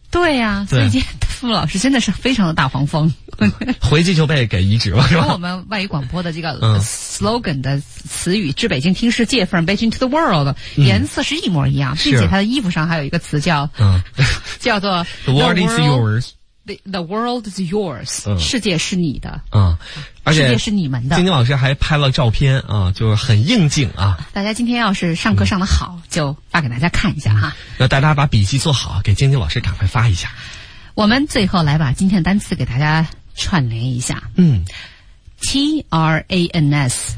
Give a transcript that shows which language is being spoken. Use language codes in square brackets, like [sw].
[zh] 对呀、啊，所以今天傅老师真的是非常的大黄蜂，回去就被给移植了，是吧？我们外语广播的这个 slogan 的词语“至北京听世界 ， [en] from Beijing to the world”， [zh] 颜色是一模一样，并且他的衣服上还有一个词叫、叫做 [en] “the world is yours”。 The world is yours、 [zh] 世界是你的、而且世界是你们的，今天老师还拍了照片啊，就是很应景啊，大家今天要是上课上得好、就发给大家看一下哈、那大家把笔记做好，给晶晶老师赶快发一下，我们最后来把今天的单词给大家串联一下，嗯， [en] TRANS